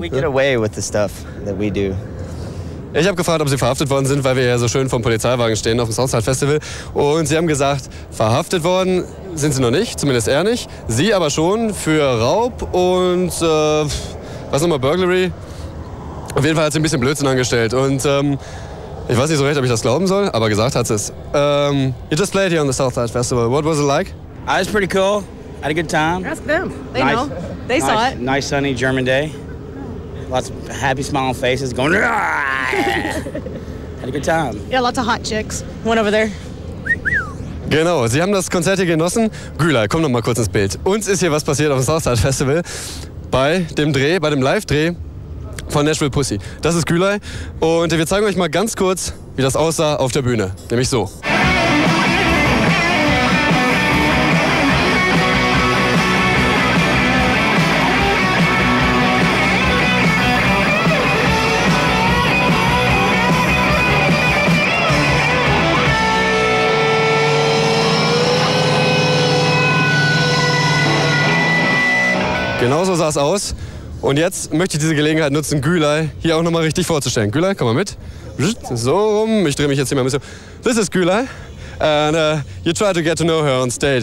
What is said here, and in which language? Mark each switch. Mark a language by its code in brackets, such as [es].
[en] We get away with the stuff that we do. [de] Ich habe gefragt, ob Sie verhaftet worden sind, weil wir ja so schön vor dem Polizeiwagen stehen auf dem Southside Festival. Und Sie haben gesagt, verhaftet worden sind Sie noch nicht, zumindest er nicht. Sie aber schon für Raub und was nochmal, Burglary. Auf jeden Fall hat sie ein bisschen Blödsinn angestellt. Und ich weiß nicht so recht, ob ich das glauben soll, aber gesagt hat sie es. [en] You just played here on the Southside Festival. What was it like? It was pretty cool. Had a good time. Ask them. They nice, know. They saw nice, it. Nice sunny German day. Lots of happy smiling faces going. Had a good time. Yeah, lots of hot chicks. One over there. [de] Genau, Sie haben das Konzert hier genossen. Gülay, komm noch mal kurz ins Bild. Uns ist hier was passiert auf dem Southside Festival bei dem Dreh, bei dem Live-Dreh von Nashville Pussy. Das ist Gülay und wir zeigen euch mal ganz kurz, wie das aussah auf der Bühne. Nämlich so. Genauso sah es aus. Und jetzt möchte ich diese Gelegenheit nutzen, Gülay hier auch nochmal richtig vorzustellen. Gülay, komm mal mit. So rum. Ich drehe mich jetzt hier mal ein bisschen. [en] This is Gülay. And you try to get to know her on stage.